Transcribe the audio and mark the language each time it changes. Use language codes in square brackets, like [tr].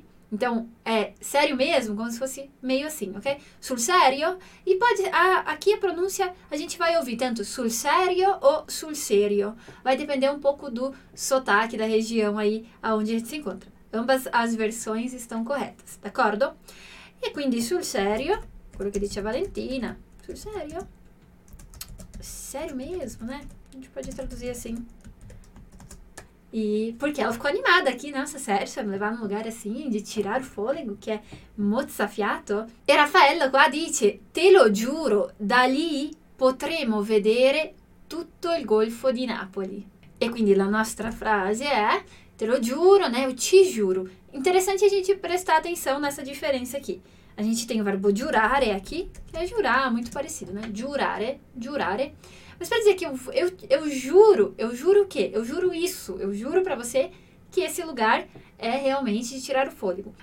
[pt] Então, é sério mesmo, como se fosse meio assim, ok? [it] Sul serio. [pt] E pode, aqui a pronúncia, a gente vai ouvir tanto [it] sul serio [pt] ou sul serio. Vai depender um pouco do sotaque da região aí onde a gente se encontra. Ambas as versões estão corretas, d'accordo? [it] E quindi sul serio, quello che dice Valentina. Sul serio. [pt] Sério mesmo, né? A gente pode traduzir assim. E porque ela ficou animada aqui, nossa, sério, você vai me levar num lugar assim, de tirar o fôlego, que é mozzafiato? [it] E Raffaella qua dice, te lo giuro, da lì potremo vedere tutto il golfo di Napoli. E quindi la nostra frase è, te lo giuro, né, [pt] eu te juro. Interessante a gente prestar atenção nessa diferença aqui. A gente tem o verbo giurare aqui, que é jurar, muito parecido, né, giurare, giurare. Mas para dizer que eu juro o quê? Eu juro isso, eu juro para você que esse lugar é realmente de tirar o fôlego.